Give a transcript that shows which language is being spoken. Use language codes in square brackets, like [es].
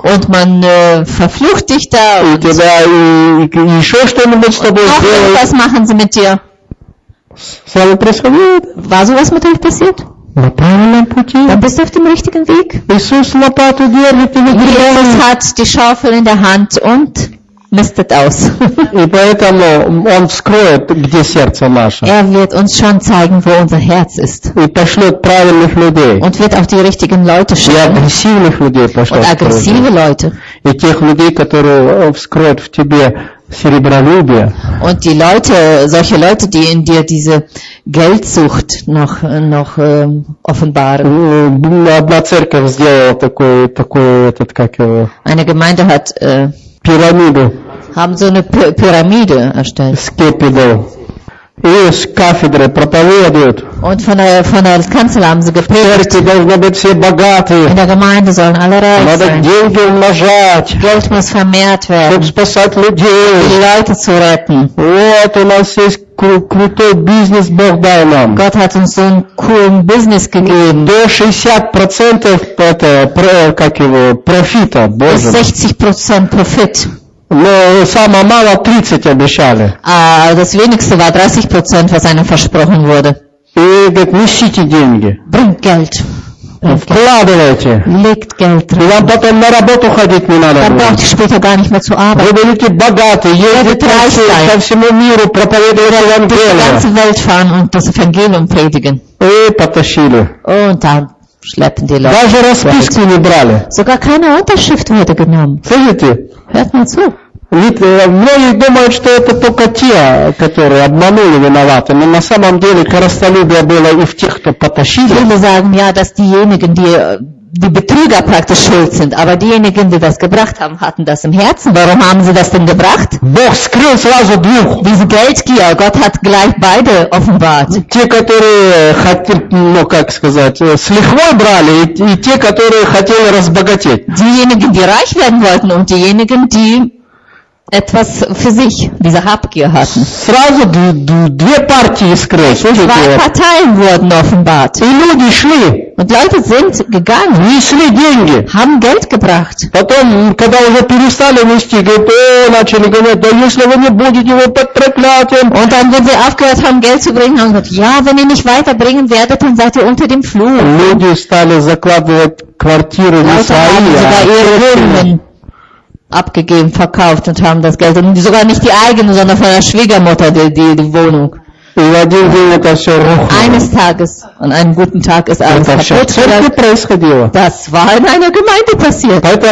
[de] und man verflucht dich da, [ru] и тебя и еще что-нибудь с тобой [de] noch [ru] сделают. [de] Was machen sie mit dir? [ru] Что происходит? [de] War sowas mit euch passiert? [ru] На правильном пути. [de] Dann bist du auf dem richtigen Weg. [ru] Иисус лопату держит и выгребает. [de] Jesus hat die Schaufel in der Hand und mistet aus. [ru] И поэтому он вскроет, где сердце наше. [de] Er wird uns schon zeigen, wo unser Herz ist. [ru] И пошлет правильных людей. [de] Und wird auf die richtigen Leute schauen. [ru] И агрессивных людей пошлет. [de] Und aggressive Leute. [ru] И тех людей, которые вскроют в тебе серебролюбие. [de] Und die Leute, solche Leute, die in dir diese Geldsucht noch offenbaren. [ru] Одна церковь сделала такой этот, как его. [de] Eine Gemeinde hat Pyramide. Haben so eine Pyramide erstellt. Skepido. [ru] И с кафедры проповедуют. [de] Und von der Kanzel haben sie gepredigt. [ru] Die должны быть все богатые. [de] In der Gemeinde sollen alle reich [ru] sein. Надо деньги умножать. [de] Geld muss vermehrt werden. [ru] Чтобы спасать людей. [de] Die Leute zu retten. [ru] Вот у нас есть крутой бизнес Бог дал нам. [de] Gott hat uns so einen coolen Business gegeben. [ru] До 60% профита. [de] Bis 60% Profit. [ru] Но самое мало 30 обещали. [de] А, das wenigste war 30%, was einem versprochen wurde. [ru] И говорит, несите деньги. [de] Bring Geld. [ru] Вкладывайте. [de] Legt Geld [ru] rein. И вам потом на работу ходить не надо. [de] Dann braucht ihr später gar nicht mehr zu arbeiten. [ru] Вы будете богаты, едете по всему миру, проповедуете Евангелие. [de] Durch die ganze Welt fahren und das Evangelium predigen. [ru] И потащили. [de] Und dann schleppen die Leute. [ru] Даже расписку не брали. [de] Sogar keine Unterschrift wurde genommen. [ru] Слышите? [de] Hört mal zu. [ru] Многие думают, что это только те, которые обманули, виноваты. Но на самом деле корыстолюбие было и в тех, кто потащили. [de] Viele sagen, ja, dass diejenigen, die Betrüger praktisch schuld sind. Aber diejenigen, die das gebracht haben, hatten das im Herzen. Warum haben sie das denn gebracht? [ru] Бог скрыл сразу двух. [de] Diese Geldgier, Gott hat gleich beide offenbart. [ru] Те, которые хотели, ну как сказать, с лихвой брали, и те, которые хотели разбогатеть. [de] Diejenigen, die reich werden wollten, und diejenigen, die etwas für sich, diese Habgier hatten. [ru] Сразу две партии скрылись. [de] Zwei Parteien wurden offenbart. [ru] И люди шли. [de] Und Leute sind gegangen. [ru] Несли деньги. [de] Haben Geld gebracht. [ru] Потом, когда уже перестали нести, начали говорить, да если вы не будете его под проклятием. [de] Und dann, wenn sie aufgehört haben, Geld zu bringen, haben gesagt, ja, wenn ihr nicht weiterbringen werdet, dann seid ihr unter dem Fluch. [ru] Люди стали закладывать квартиры на свои. [de] Abgegeben, verkauft und haben das Geld. Und sogar nicht die eigene, sondern von der Schwiegermutter die Wohnung. Eines Tages, an einem guten Tag ist alles kaputt. Das war in einer Gemeinde passiert.